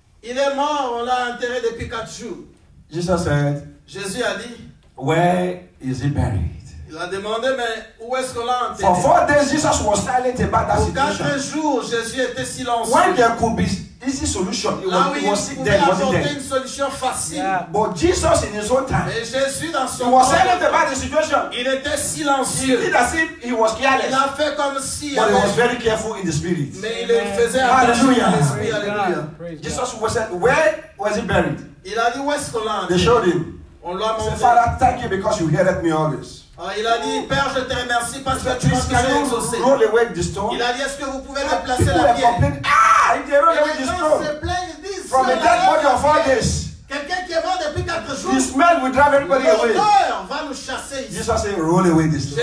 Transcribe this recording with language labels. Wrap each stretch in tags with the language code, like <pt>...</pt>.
<fr>Il est mort, on l'a enterré depuis 4 jours.</fr> <en>Jesus said,</en> <fr>Jésus a dit,</fr> <en>where is he buried?</en> <fr>Il a demandé, mais où est-ce qu'on l'a enterré?</fr> <en>For 4 days, Jesus was silent about that situation.</en> <fr>Pour 4 jours, Jésus était silencieux.</fr> <en>When there could be easy solution,</en> <fr>là où il pouvait apporter une solution facile.</fr> <en>Yeah. But Jesus in his own time,</en> <fr>mais Jésus dans son</fr> <en>he was silent about the situation.</en> <fr>Il était silencieux.</fr> <en>He did as if he was careless.</en> <fr>Il a fait comme si.</fr> <en>But he was very careful in the spirit.</en> <fr>Mais il faisait attention dans l'esprit. Alléluia.</fr> <en>Jesus was said, where was he buried?</en> <fr>Il a dit, où est-ce qu'on l'a enterré?</fr> <en>They showed him.</en> <fr>On l'a montré.</fr> <en>He said, Father, thank you because you heard me always.</en> <fr>Il a dit, Père, je te remercie parce que tu m'as exaucé.</fr> <en>Roll away the stone.</en> <fr>Il a dit, est-ce que vous pouvez replacer la pierre?</fr> <en>If they roll away the stone</en> <fr>disent,</fr> <en>from a dead body of 4 days, this man will drive everybody away.</en> <fr>Va nous chasser ici.</fr> <en>Jesus said, roll away the stone.</en>